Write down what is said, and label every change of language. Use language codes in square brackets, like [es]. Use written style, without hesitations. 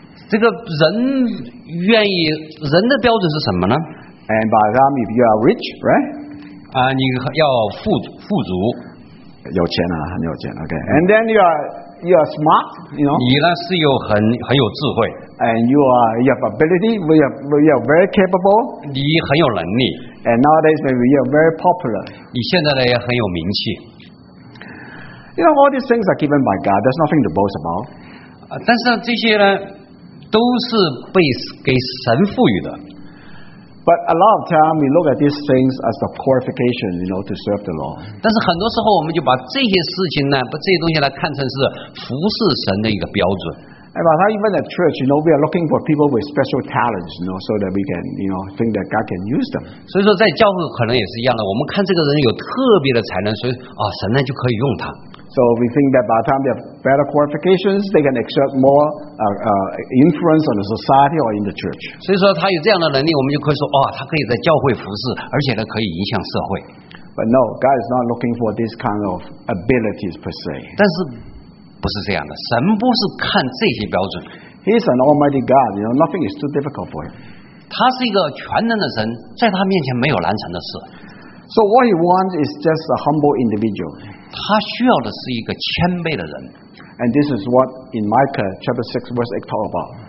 [zh] 这个人愿意人的标准是什么呢 [en] ？And by that, if you are rich, right? [zh] 你要富足，有钱啊，很有钱。 [en] Okay. And then you are smart, you know? [zh] 你呢是有很有智慧。 [en] And you have ability. We are very capable. [zh] 你很有能力。 [en] And nowadays, maybe you are very popular. [zh] 你现在呢也很有名气。 [en] You know, all these things are given by God. There's nothing to boast about. [zh] 但是这些呢？都是被给神赋予的。 [en] But a lot of time we look at these things as the qualification, you know, to serve the Lord. [zh] 但是很多时候我们就把这些事情呢，把这些东西呢看成是服侍神的一个标准。 [en] And by that, even at church, you know, we are looking for people with special talents, you know, so that we can, you know, think that God can use them. [zh] 所以说在教会可能也是一样的，我们看这个人有特别的才能，所以神呢就可以用他。 [en] So we think that by the time they have better qualifications, they can exert more influence on the society or in the church. [zh] 所以说他有这样的能力，我们就可以说，他可以在教会服侍，而且呢可以影响社会。 [en] But no, God is not looking for this kind of abilities per se. [zh] 但是不是这样的，神不是看这些标准。 [en] He is an Almighty God. You know, nothing is too difficult for him. [zh] 他是一个全能的神，在他面前没有难成的事。 [en] So what he wants is just a humble individual. [zh] 他需要的是一个谦卑的人。 [en] And this is what in Micah chapter 6 verse 8 talk about.